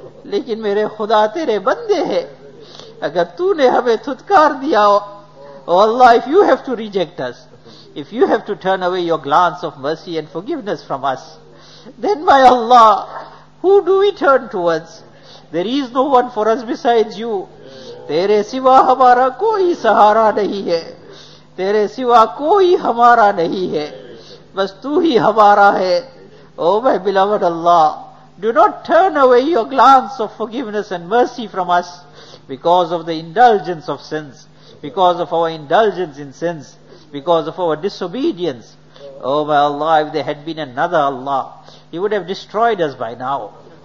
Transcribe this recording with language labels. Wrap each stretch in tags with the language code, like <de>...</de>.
<ur>لیکن میرے خدا تیرے بندے ہیں اگر تو نے ہمیں تھتکار دیا ہو او اللہ</ur> <en>if you have to reject us, if you have to turn away your glance of mercy and forgiveness from us, then my Allah, who do we turn towards? There is no one for us besides you.</en> <ur>تیرے سوا ہمارا کوئی سہارا نہیں ہے. تیرے سوا کوئی ہمارا نہیں ہے. بس تو ہی ہمارا ہے.</ur> <en>Oh my beloved Allah, do not turn away your glance of forgiveness and mercy from us because of the indulgence of sins. Because of our indulgence in sins, because of our disobedience. Oh my Allah, if there had been another Allah, He would have destroyed us by now.</en>